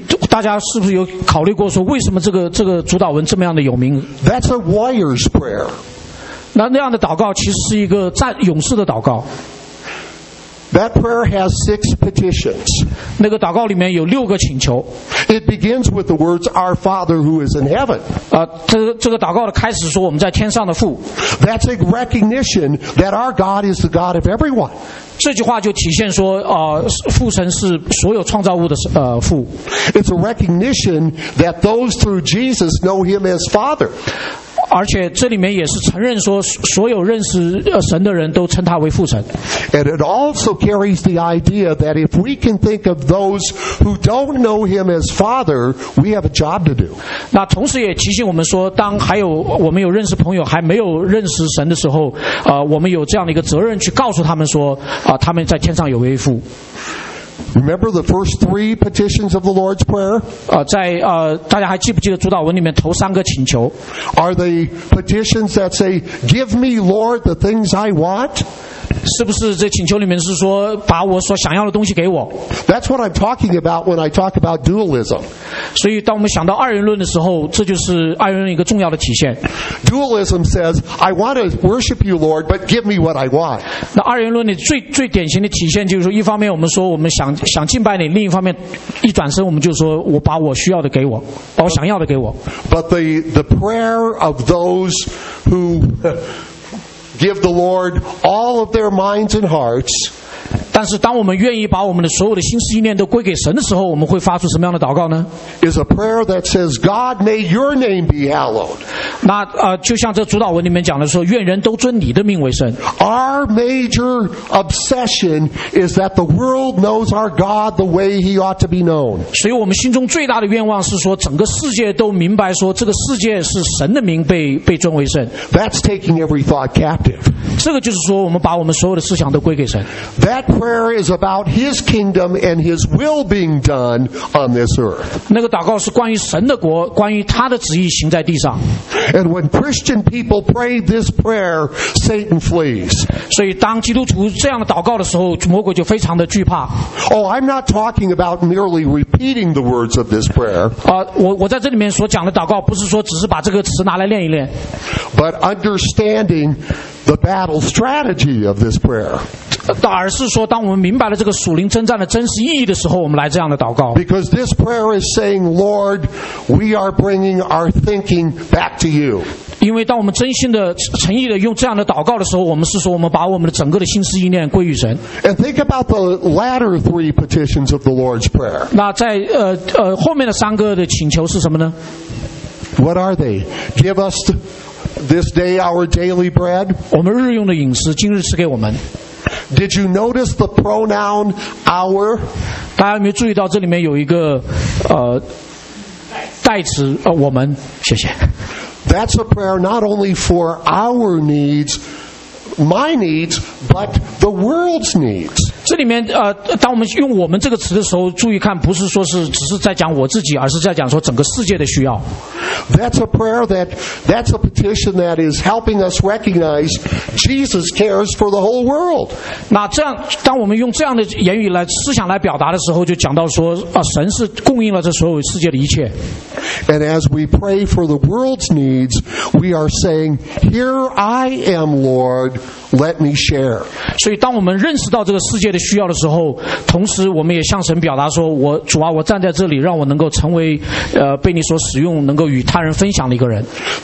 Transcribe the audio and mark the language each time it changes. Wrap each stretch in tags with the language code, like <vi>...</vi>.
<zh>大家是不是有考虑过说为什么这个主祷文这么样的有名？</zh> <en>That's a warrior's prayer.</en> <zh>那样的祷告其实是一个勇士的祷告。</zh> <en>That prayer has six petitions.</en> <zh>那个祷告里面有六个请求。</zh> <en>It begins with the words, Our Father who is in heaven.</en> <zh>这个祷告的开始说我们在天上的父。</zh> <en>That's a recognition that our God is the God of everyone.</en> <zh>这句话就体现说父神是所有创造物的父。</zh> <en>It's a recognition that those through Jesus know him as Father.</en> <zh>而且这里面也是承认说所有认识神的人都称他为父神。</zh> <en>And it also carries the idea that if we can think of those who don't know him as father, we have a job to do.</en> <zh>那同时也提醒我们说当还有我们有认识朋友还没有认识神的时候我们有这样的一个责任去告诉他们说他们在天上有位父。</zh> <en>Remember the first three petitions of the Lord's Prayer?</en> <zh>大家还记不记得主祷文里面头三个请求？</zh> <en>Are they petitions that say, "Give me, Lord, the things I want"?</en> <zh>是不是这请求里面是说把我所想要的东西给我？</zh> <en>That's what I'm talking about when I talk about dualism.</en> <zh>所以当我们想到二元论的时候，这就是二元论一个重要的体现。</zh> <en>Dualism says, "I want to worship you, Lord, but give me what I want."</en> <zh>那二元论的最典型的体现就是说，一方面我们说我们想敬拜你，另一方面一转身我们就说我把我需要的给我，把我想要的给我。</zh> <en>But the prayer of those who give the Lord all of their minds and hearts,</en> <zh>但是当我们愿意把我们的所有的心思意念都归给神的时候，我们会发出什么样的祷告呢？</zh> <en>Is a prayer that says, God, may your name be hallowed.</en> <zh>那就像这主祷文里面讲的说，愿人都尊你的名为圣。</zh> <en>Our major obsession is that the world knows our God the way he ought to be known.</en> <zh>所以我们心中最大的愿望是说，整个世界都明白说，这个世界是神的名被尊为圣。</zh> <en>That's taking every thought captive.</en> <zh>这个就是说，我们把我们所有的思想都归给神。</zh> <en>That prayer is about his kingdom and his will being done on this earth.</en> <zh>那个祷告是关于神的国，关于他的旨意行在地上。</zh> <en>And when Christian people pray this prayer, Satan flees.</en> <zh>所以当基督徒这样的祷告的时候，魔鬼就非常的惧怕。</zh> <en>Oh, I'm not talking about merely repeating the words of this prayer.</en> <zh>我在这里面所讲的祷告，不是说只是把这个词拿来练一练。</zh> <en>But understanding the battle strategy of this prayer.</en> <zh>而是说，当我们明白了这个属灵征战的真实意义的时候，我们来这样的祷告。</zh> <en>Because this prayer is saying, Lord, we are bringing our thinking back to you.</en> <zh>因为当我们真心的、诚意的用这样的祷告的时候，我们是说，我们把我们的整个的心思意念归于神。</zh> <en>And think about the latter three petitions of the Lord's prayer.</en> <zh>那在后面的三个的请求是什么呢？</zh> <en>What are they? Give us this day our daily bread.</en> <zh>我们日用的饮食，今日赐给我们。</zh> <en>Did you notice the pronoun our?</en> <zh>大家有没有注意到这里面有一个代词我们？谢谢。</zh> <en>That's a prayer not only for our needs, my needs, but the world's needs.</en> <zh>这里面当我们用我们这个词的时候，注意看，不是说是只是在讲我自己，而是在讲说整个世界的需要。</zh> <en>That's a prayer that's a petition that is helping us recognize Jesus cares for the whole world.</en> <zh>那这样，当我们用这样的言语来思想来表达的时候，就讲到说神是供应了这所有世界的一切。</zh> <en>And as we pray for the world's needs, we are saying, "Here I am, Lord. Let me share."</en> <zh>所以，当我们认识到这个世界的需要的时候，同时我们也向神表达说：“我主啊，我站在这里，让我能够成为被你所使用，能够与他人分享的一个人。”</zh>